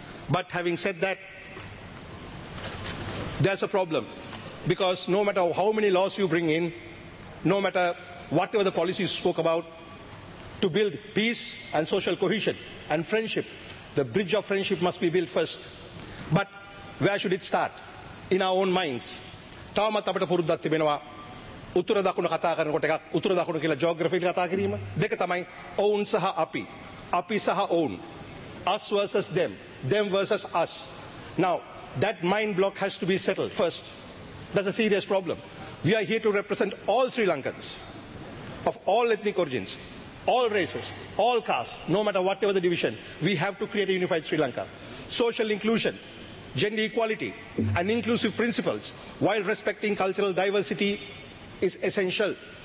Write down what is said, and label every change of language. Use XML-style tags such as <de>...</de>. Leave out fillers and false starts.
<en>But having said that, there's a problem. Because no matter how many laws you bring in, no matter whatever the policies spoke about, to build peace and social cohesion and friendship, the bridge of friendship must be built first. But where should it start? In our own minds.</en> <si>තාමත් අපිට පුරුද්දක් තිබෙනවා උතුර දකුණ කතා කරනකොට එකක් උතුර දකුණ කියලා ජියෝග්‍රැෆි එක කතා කිරීම දෙක තමයි ඔවුන් සහ අපි. අපි සහ ඔවුන්.</si> <en>Us versus them. Them versus us. Now, that mind block has to be settled first. That's a serious problem. We are here to represent all Sri Lankans of all ethnic origins, all races, all castes, no matter whatever the division. We have to create a unified Sri Lanka. Social inclusion, gender equality, and inclusive principles while respecting cultural diversity is essential.</en>